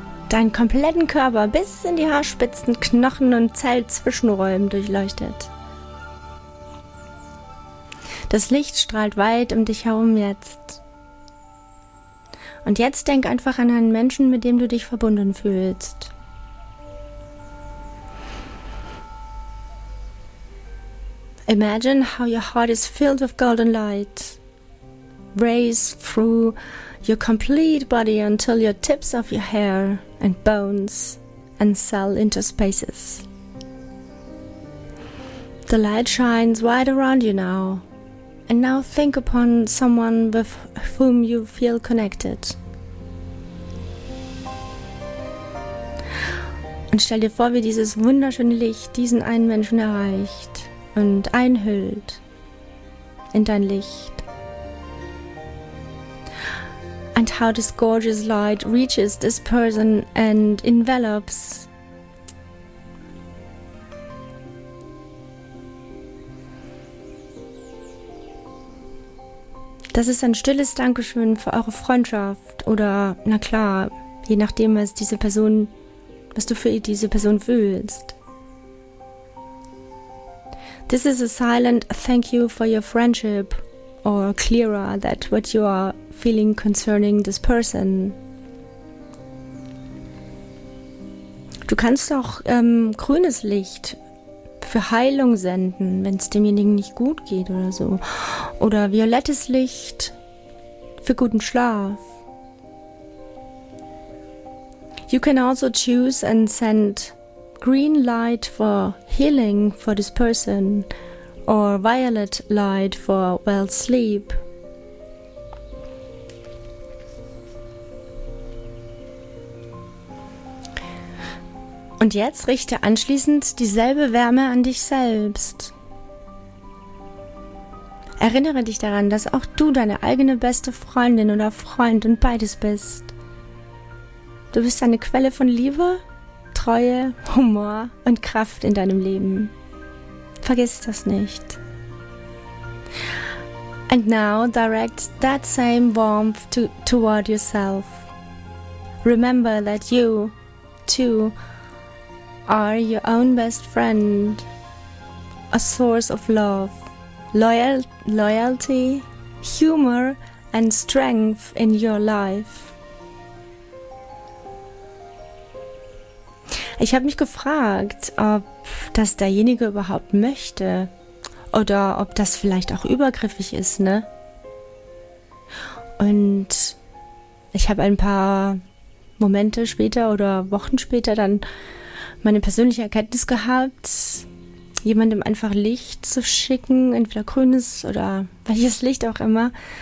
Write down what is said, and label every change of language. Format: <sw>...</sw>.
<de>Deinen kompletten Körper bis in die Haarspitzen, Knochen und Zellzwischenräumen durchleuchtet. Das Licht strahlt weit um dich herum jetzt. Und jetzt denk einfach an einen Menschen, mit dem du dich verbunden fühlst.</de> <en>Imagine how your heart is filled with golden light. Rays through your complete body until your tips of your hair and bones and cell interspaces. The light shines wide around you now. And now think upon someone with whom you feel connected.</en> <de>Und stell dir vor, wie dieses wunderschöne Licht diesen einen Menschen erreicht und einhüllt in dein Licht.</de> <en>And how this gorgeous light reaches this person and envelops.</en> <de>Das ist ein stilles Dankeschön für eure Freundschaft oder, na klar, je nachdem, was du für diese Person fühlst.</de> <en>This is a silent thank you for your friendship. Or clearer that what you are feeling concerning this person.</en> <de>Du kannst auch grünes Licht für Heilung senden, wenn es demjenigen nicht gut geht oder so. Oder violettes Licht für guten Schlaf.</de> <en>You can also choose and send green light for healing for this person. Or violet light for well sleep.</en> <de>Und jetzt richte anschließend dieselbe Wärme an dich selbst. Erinnere dich daran, dass auch du deine eigene beste Freundin oder Freund und beides bist. Du bist eine Quelle von Liebe, Treue, Humor und Kraft in deinem Leben. Vergiss das nicht.</de> <en>And now direct that same warmth toward yourself. Remember that you, too, are your own best friend, a source of love, loyalty, humor, and strength in your life.</en> <de>Ich habe mich gefragt, ob das derjenige überhaupt möchte oder ob das vielleicht auch übergriffig ist, ne? Und ich habe ein paar Momente später oder Wochen später dann meine persönliche Erkenntnis gehabt, jemandem einfach Licht zu schicken, entweder grünes oder welches Licht auch immer.</de>